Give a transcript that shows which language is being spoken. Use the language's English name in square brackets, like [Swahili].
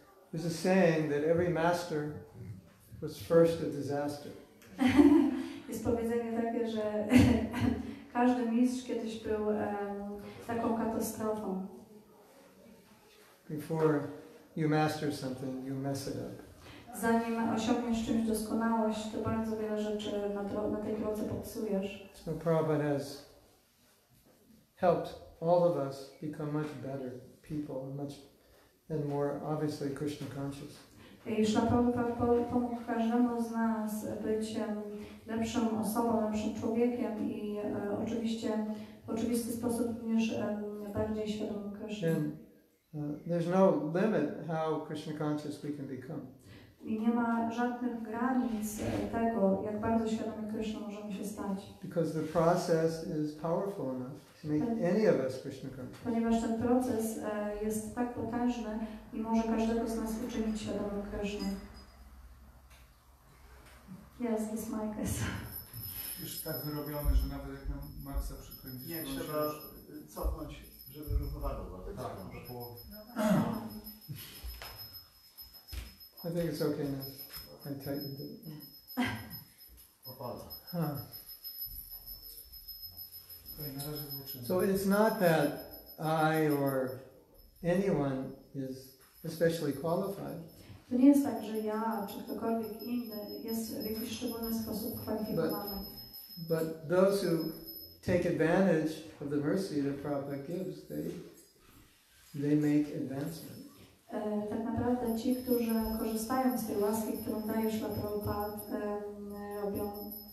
[English] There's a saying that every master was first a disaster. [Polish] Jest powiedzenie takie, że każdy mistrz kiedyś był taką katastrofą. [English] Before you master something, you mess it up. [Polish] Zanim osiągniesz czymś doskonałość, to bardzo wiele rzeczy na tej drodze popsujesz. [English] So Prabhupada has helped all of us become much better people, and more obviously Krishna conscious. [Polish] I Śla Prabhupada pomógł każdemu z nas być lepszą osobą, lepszym człowiekiem i oczywiście w oczywisty sposób również bardziej świadomym Krishna. [English] And, there's no limit how Krishna conscious we can become. [Polish] I nie ma żadnych granic tego, jak bardzo świadomy Krishna możemy się stać. [English] Because the process is powerful enough to make any of us Krishna conscious. [Polish] Ponieważ ten proces jest tak potężny i może każdego z nas uczynić świadomym Krishna. [English] Yes, this mic is. [Polish] Już tak wyrobione, że nawet jak nam Maxa przykręci. Nie, trzeba cofnąć, żeby rozmawiał. Tak, bo było. [English] I think it's okay now. I tightened it. So it's not that I or anyone is especially qualified. [Polish] To nie jest tak, że ja czy ktokolwiek inny jest w jakiś szczególny sposób kwalifikowany. [English] But those who take advantage of the mercy that Prabhupada gives, they make advancement. [Polish] Tak naprawdę ci, którzy korzystają z tej łaski, którą daje Śla Prabhupada, robią postęp.